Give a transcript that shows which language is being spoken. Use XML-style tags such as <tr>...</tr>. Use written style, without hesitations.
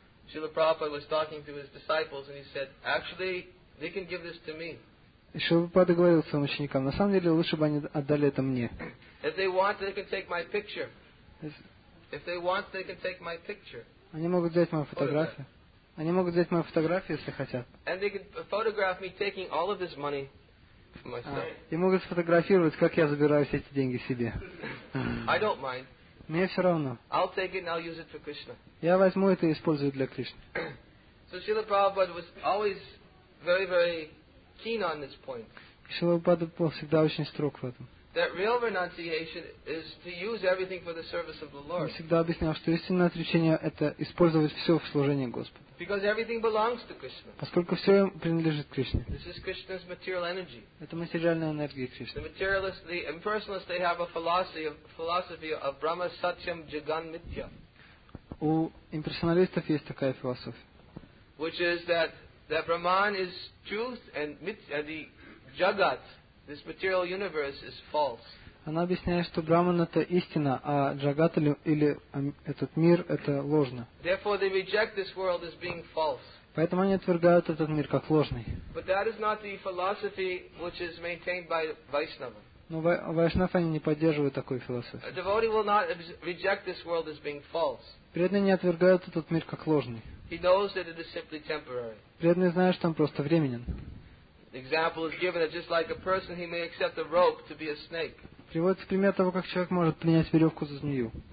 <en>Шрила Прабхупада was talking to his disciples and he said, actually, they can give this to me.</en> <ru>И Шрила Прабхупада говорил своим ученикам, на самом деле, лучше бы они отдали это мне.</ru> <en>If they want, they can take my picture. If they want, they can take my picture.</en> <ru>Они могут взять мою фотографию. Они могут взять мою фотографию, если хотят.</ru> <en>And they can photograph me taking all of this money for myself.</en> <ru>И могут сфотографировать, как я забираю все эти деньги себе.</ru> <en>I don't mind.</en> <ru>Мне все равно.</ru> <en>I'll take it and I'll use it for Krishna.</en> <ru>Я возьму это и использую для Кришны.</ru> <en>So Srila Prabhupada was always very, very keen on this point.</en> <ru>Srila Prabhupada был всегда очень строг в этом.</ru> <en>That real renunciation is to use everything for the service of the Lord.</en> <ru>Он всегда объяснял, что истинное отречение это использовать все в служении Господу.</ru> <en>Because everything belongs to Krishna.</en> <ru>Поскольку все принадлежит Кришне.</ru> <en>This is Krishna's material energy.</en> <ru>Это материальная энергия Кришны.</ru> <en>The materialists, the impersonalists, they have a philosophy of Brahma Satyam Jagan Mithya.</en> <ru>У имперсоналистов есть такая философия.</ru> <en>Which is that Brahman is truth and Mithya, the Jagat. This material universe is false.</en> <ru>Она объясняет, что Брахман это истина, а Джагат или этот мир это ложно.</ru> <en>Therefore, they reject this world as being false.</en> <ru>Поэтому они отвергают этот мир как ложный.</ru> <en>But that is not the philosophy which is maintained by Vaishnava.</en> <ru>Но Вайшнав они не поддерживают такой философии.</ru> <en>A devotee will not reject this world as being false.</en> <ru>Преданные не отвергают этот мир как ложный.</ru> <en>He knows that it is simply temporary.</en> <ru>Преданные знают, что он просто временен.</ru> <en>Example is given that just like a person, he may accept a rope to be a snake.</en> <ru>Приводится пример того, как человек может принять веревку за змею.</ru>